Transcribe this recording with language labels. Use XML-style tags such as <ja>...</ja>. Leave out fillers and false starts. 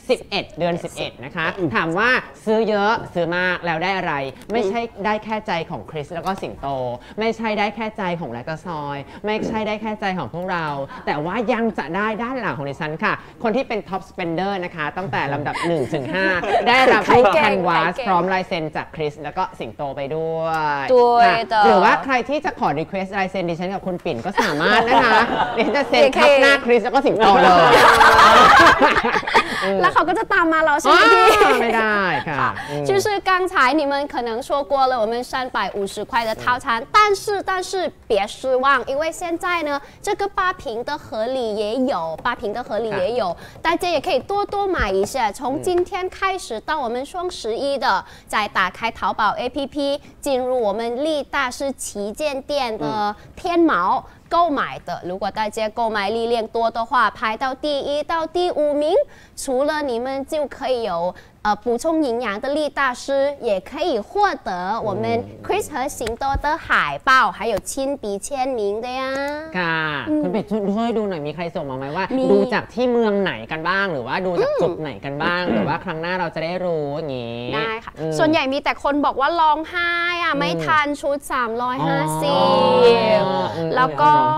<th>11เดือน11นะคะถามว่าซื้อเยอะซื้อมากแล้วได้อะไรไม่ใช่ได้แค่ใจของคริสแล้วก็สิงโตไม่ใช่ได้แค่ใจของไลกาซอยไม่ใช่ได้แค่ใจของพวกเราแต่ว่ายังจะได้ด้านหลังของดิฉันค่ะคนที่เป็นท็อปสเปนเดอร์นะคะตั้งแต่ลำดับ1ถึง5ได้รับพวกแคนวาสพร้อมลายเซ็นจากคริสแล้วก็สิงโตไปด้วย ด้วย หรือว่าใครที่จะขอรีเควสต์ลายเซ็นดิฉันกับคุณปิ่นก็สามารถนะคะเดี๋ยวจะเซ็นทับหน้าคริสแล้วก็สิงโตเลย แล้วเขาก็จะตามมาเราใช่ไหมที่ไม่ได้ค่ะ</th> <zh>就是刚才你们可能说过了我们350块的套餐但是别失望因为现在呢这个8瓶的合理也有大家也可以多多买一下从今天开始到我们双十一的再打开淘宝 APP 进入我们力大师旗舰店的天猫购买的如果大家购买力量多的话排到第一到第五名除了你们就可以有补充营养的力大师也可以获得我们 Chris 和行多的海报还有亲笔签名的呀</zh> <th>ค่ะคุณเป็ดช่วยดูหน่อยมีใครส่งมาไหมว่าดูจากที่เมืองไหนกันบ้างหรือว่าดูจากจุดไหนกันบ้างหรือว่าครั้งหน้าเราจะได้รู้อย่างนี้ ได้ค่ะส่วนใหญ่มีแต่คนบอกว่าร้องไห้อ่ะไม่ทันชุด350แล้วก็</th>